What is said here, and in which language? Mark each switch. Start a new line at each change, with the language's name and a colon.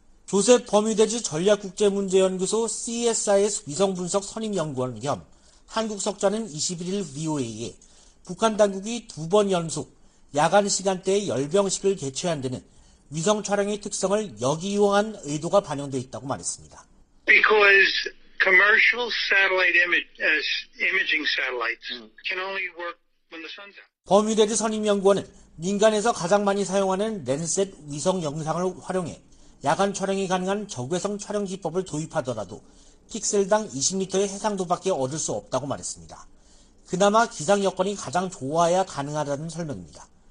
Korean: 조셉 버뮤데즈 전략국제문제연구소 CSIS 위성분석 선임연구원 겸 한국 석좌는 21일 VOA에 북한 당국이 두 번 연속 야간 시간대에 열병식을 개최한 데는 위성 촬영의 특성을 역이용한 의도가 반영돼 있다고 말했습니다.
English: Because commercial satellite imaging satellites can only work when the sun's out.
Korean: 버뮤데즈 선임 연구원은 민간에서 가장 많이 사용하는 랜셋 위성 영상을 활용해 야간 촬영이 가능한 적외성 촬영 기법을 도입하더라도 픽셀당 20m의 해상도밖에 얻을 수 없다고 말했습니다. 그나마 기상 여건이 가장 좋아야 가능하다는 설명입니다.